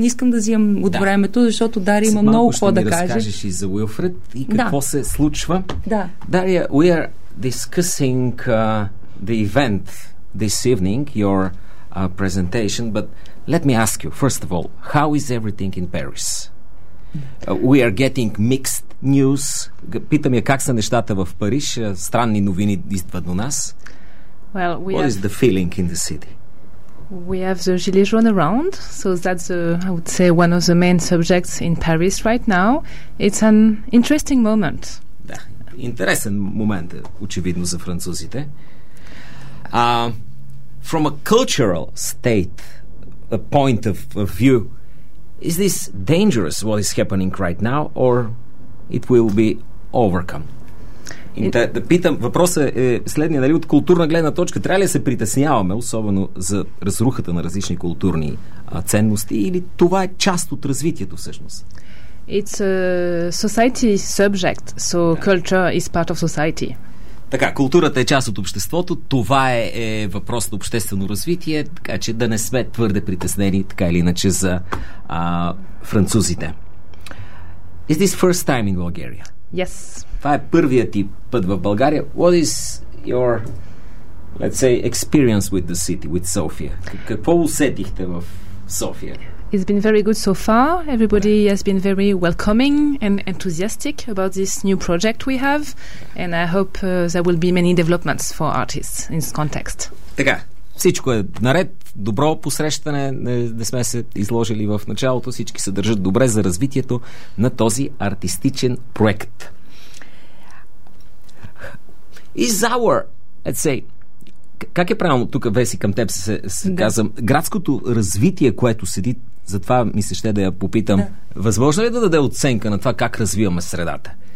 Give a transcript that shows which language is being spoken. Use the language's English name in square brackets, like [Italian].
[Bulgarian] Не искам да взимам от времето, защото Дария има много какво да каже. Ще ми разкажеш и за Уилфред и какво се случва. Да. [English] Дария, we are discussing the event this evening, your presentation, but let me ask you, first of all, how is everything in Paris? We are getting mixed news. [Bulgarian] Питам я как са нещата в Париж. Странни новини идват до нас. [English] Well, what is the feeling in the city? We have the Gilets jaunes around, so that's one of the main subjects in Paris right now. It's an interesting moment. [Bulgarian] Да, интересен момент е, очевидно, за французите. [English] From a cultural state, a point of view, is this dangerous what is happening right now, or it will be overcome? [Bulgarian] Да питам, въпросът е следния, нали, от културна гледна точка, трябва ли да се притесняваме, особено за разрухата на различни културни ценности, или това е част от развитието всъщност? [English] It's a society subject, so culture is part of society. [Bulgarian] Така, културата е част от обществото, това е въпрос на обществено развитие, така че да не сме твърде притеснени, така или иначе, за французите. [English] Is this first time in Bulgaria? Yes. [Bulgarian] Това е първият ти път в България. [English] What is your, let's say, experience with the city, with Sofia? [Bulgarian] Какво усетихте в София? [English] It's been very good so far. Everybody has been very welcoming and enthusiastic about this new project we have. And I hope there will be many developments for artists in this context. [Bulgarian] Така, всичко е наред. Добро посрещане. Не сме се изложили в началото. Всички се държат добре за развитието на този артистичен проект. [English] Is our, let's say, [Bulgarian] как е правилно тук, Веси, към теб се казвам, градското развитие, което седи, затова ми се ще да я попитам, възможно ли да даде оценка на това как развиваме средата?